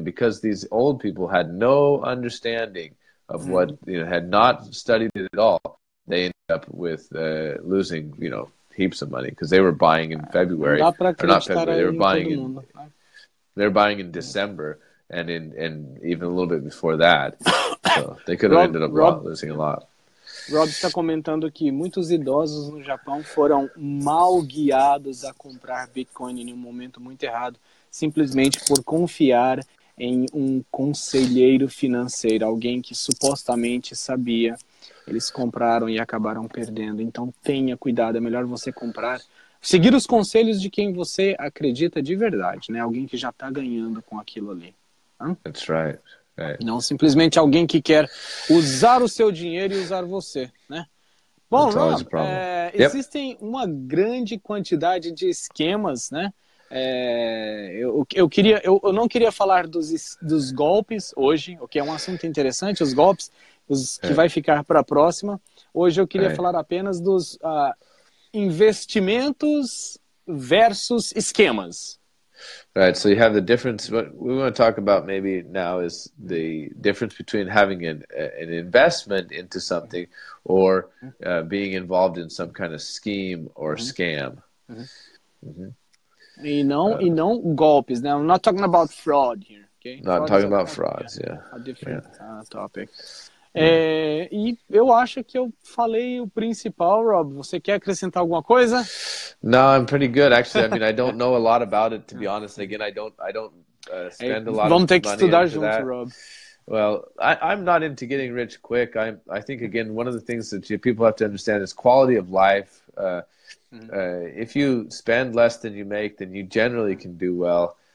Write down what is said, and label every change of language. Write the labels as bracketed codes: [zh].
[en] And because these old people had no understanding of what, you know, had not studied it at all, they ended up with losing, you know, heaps of money because they were buying in February. Or not February, they're buying in December and even a little bit before that. So they could have ended up losing a lot. [pt] Rob está comentando que muitos idosos no Japão foram mal guiados a comprar Bitcoin em um momento muito errado, simplesmente por confiar em um conselheiro financeiro, alguém que supostamente sabia. Eles compraram e acabaram perdendo. Então tenha cuidado, é melhor você comprar, seguir os conselhos de quem você acredita de verdade, né? Alguém que já está ganhando com aquilo ali. [en] That's right. Right. [pt] Não simplesmente alguém que quer usar o seu dinheiro e usar você, né? Bom, Rob, existem uma grande quantidade de esquemas, né? Eu não queria falar dos golpes hoje, o que é um assunto interessante, os golpes, os que vai ficar para a próxima. Hoje eu queria falar apenas dos investimentos versus esquemas. [en] Right, so you have the difference. What we want to talk about maybe now is the difference between having an investment into something or being involved in some kind of scheme or scam. [pt] E não golpes. [en] Now, I'm not talking about fraud here. Okay? Not talking about frauds, yeah. A different topic. [pt] E eu acho que eu falei o principal, Rob. Você quer acrescentar alguma coisa? [en] No, I'm pretty good, actually. I mean, I don't know a lot about it, to be honest. Again, I don't spend a lot of money. [pt] Vamos ter que estudar junto, Rob. [en] Well, I'm not into getting rich quick. I think, again, one of the things that people have to understand is quality of life. If you spend less than you make, then you generally can do well.